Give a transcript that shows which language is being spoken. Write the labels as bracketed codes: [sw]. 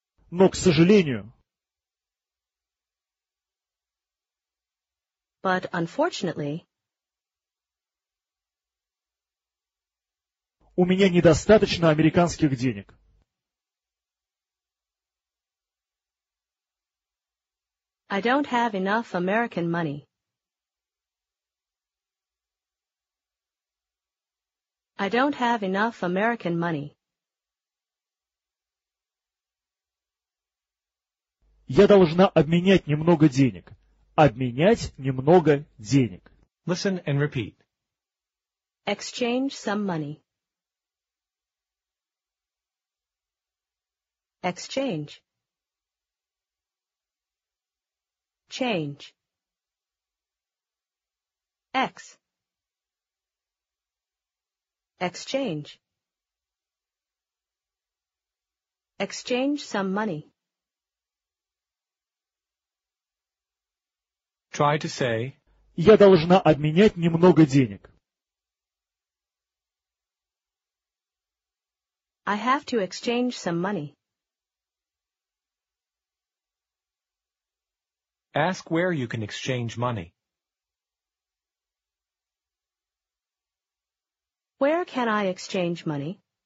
[ru] Но, к сожалению, [en] but unfortunately, [ru] у меня недостаточно американских денег. [en] I don't have enough American money. I don't have enough American money. [ru] Я должна обменять немного денег. Обменять немного денег. [en] Listen and repeat. Exchange some money. Exchange. Change. X. Exchange. Exchange some money. Try to say. [ru] Я должна обменять немного денег. [en] I have to exchange some money. Ask where you can exchange money. Where can I exchange money?